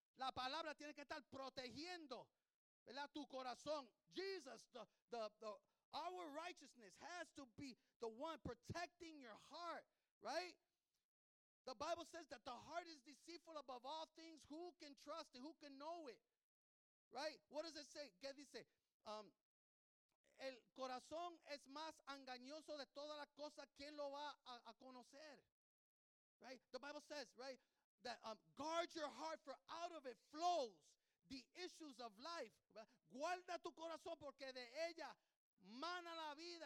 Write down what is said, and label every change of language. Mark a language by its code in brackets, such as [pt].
[es] La palabra tiene que estar protegiendo, ¿verdad? Tu corazón. [en] Jesus, our righteousness has to be the one protecting your heart, right? The Bible says that the heart is deceitful above all things. Who can trust it? Who can know it? Right? What does it say? [es] ¿Qué dice? El corazón es más engañoso de todas las cosas. ¿Quién lo va a conocer? [en] Right? The Bible says, right, that guard your heart, for out of it flows the issues of life. [es] Guarda tu corazón porque de ella mana la vida.